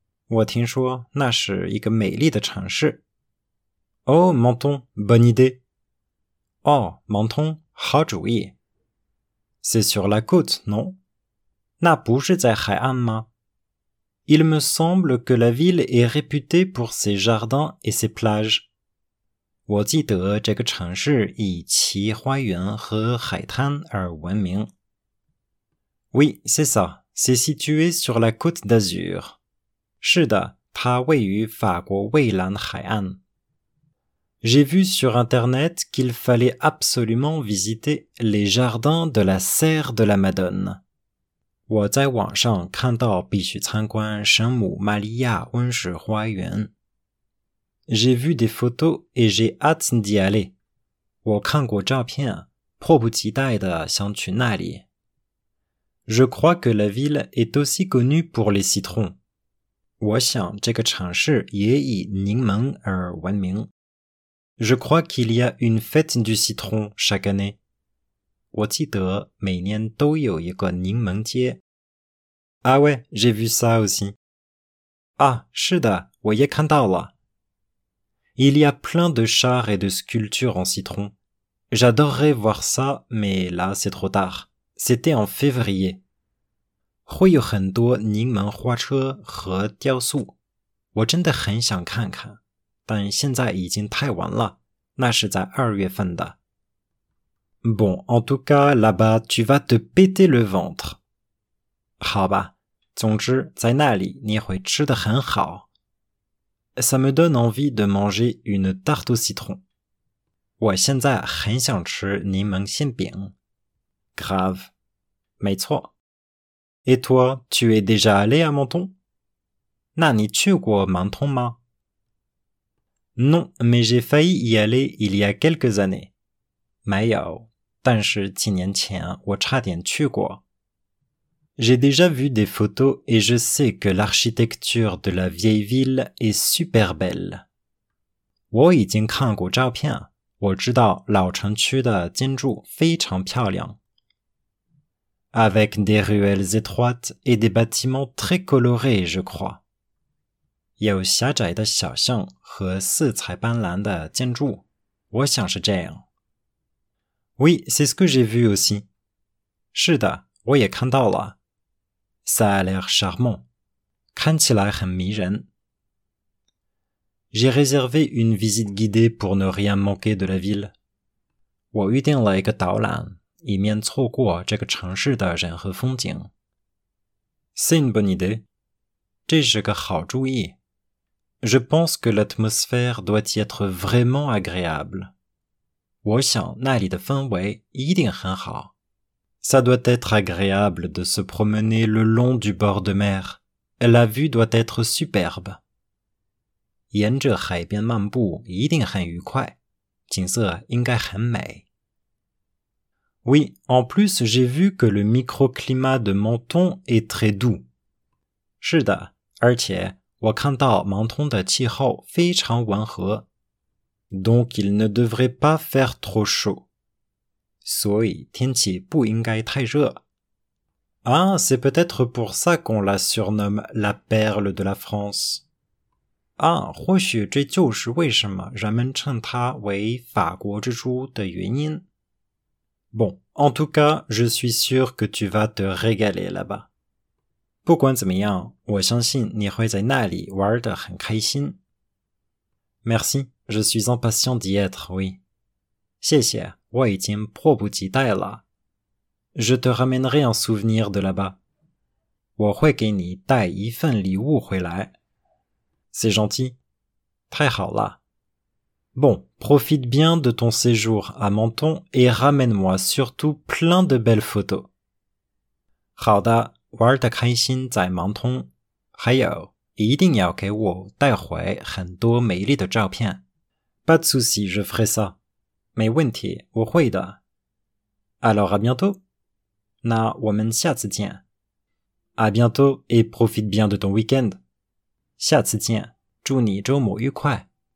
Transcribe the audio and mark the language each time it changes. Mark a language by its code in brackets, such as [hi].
[fr] Oh, Menton, bonne idée. Oh, Menton, [zh] 好主意. [fr] C'est sur la côte, non ? Il me semble que la ville est réputée pour ses jardins et ses plages. [zh] 我记得这个城市以其花园和海滩而闻名。 [fr] Oui, c'est ça. C'est situé sur la côte d'Azur. [zh] 是的，它位于法国蔚蓝海岸。 [fr] J'ai vu sur Internet qu'il fallait absolument visiter les jardins de la Serre de la Madone. [zh] 我在网上看到必须参观圣母玛利亚温室花园。 [fr] J'ai vu des photos et j'ai hâte d'y aller. [zh] 我看过照片，迫不及待地想去那里。 [fr] Je crois que la ville est aussi connue pour les citrons. [zh] 我想这个城市也以柠檬而闻名。 [fr] Je crois qu'il y a une fête du citron chaque année. [zh] 我记得每年都有一个柠檬街。 [fr] Ah ouais, j'ai vu ça aussi. [zh] Ah, 是的，我也看到了。 [fr] Il y a plein de chars et de sculptures en citron. J'adorerais voir ça, mais là, c'est trop tard. C'était en février. [zh] 会有很多柠檬花车和雕塑。我真的很想看看，但现在已经太晚了。那是在二月份的。 [fr] Bon, en tout cas, là-bas, tu vas te péter le ventre. [zh] 好吧，总之，在那里，你会吃得很好。 [fr] Ça me donne envie de manger une tarte au citron. [zh] 我现在很想吃柠檬馅饼。 [fr] Grave. [zh] 没错。 [fr] Et toi, tu es déjà allé à Menton ? [zh] 那你去过Menton吗? [fr] Non, mais j'ai failli y aller il y a quelques années. [zh] 没有，但是几年前我差点去过。 [fr] J'ai déjà vu des photos et je sais que l'architecture de la vieille ville est super belle. [zh] 我已经看过照片，我知道老城区的建筑非常漂亮。 [fr] Avec des ruelles étroites et des bâtiments très colorés, je crois. [zh] 有狭窄的小巷和色彩斑斓的建筑，我想是这样。 [fr] Oui, c'est ce que j'ai vu aussi. [zh] 是的，我也看到了。 [fr] Ça a l'air charmant. [zh] 看起来很迷人。 [fr] J'ai réservé une visite guidée pour ne rien manquer de la ville. [zh] 我预定了一个导览，以免错过这个城市的人和风景。 [fr] C'est une bonne idée. [zh] 这是个好主意。 [fr] Je pense que l'atmosphère doit y être vraiment agréable. [zh] 我想那里的氛围一定很好。 [fr] Ça doit être agréable de se promener le long du bord de mer. La vue doit être superbe. [zh] 沿着海边漫步一定很愉快，景色应该很美。 [fr] Oui, en plus j'ai vu que le microclimat de Menton est très doux. [zh] 是的，而且我看到芒通的气候非常温和。 [fr] Donc il ne devrait pas faire trop chaud. [zh] 所以天气不应该太热。 [fr] Ah, c'est peut-être pour ça qu'on la surnomme la perle de la France. [zh] Ah, 或许这就是为什么人们称它为法国之珠的原因。 [fr] Bon, en tout cas, je suis sûr que tu vas te régaler là-bas. [zh] 不管怎么样，我相信你会在那里玩得很开心。 [fr] Merci, je suis impatient d'y être, oui. [zh] 谢谢。我已经迫不及待了。 [fr] Je te ramènerai un souvenir de là-bas. [zh] 我会给你带一份礼物回来。 [fr] C'est gentil. [zh] 太好了。 [fr] Bon, profite bien de ton séjour à Menton et ramène-moi surtout plein de belles photos. [zh] 好的，玩得开心在芒通。还有，一定要给我带回很多美丽的照片。 [fr] Pas de soucis, je ferai ça. [zh] 没问题，我会的。 [fr] Alors à bientôt. [zh] 那我们下次见。 [fr] À bientôt et profite bien de ton week-end. [zh] 下次见，祝你周末愉快。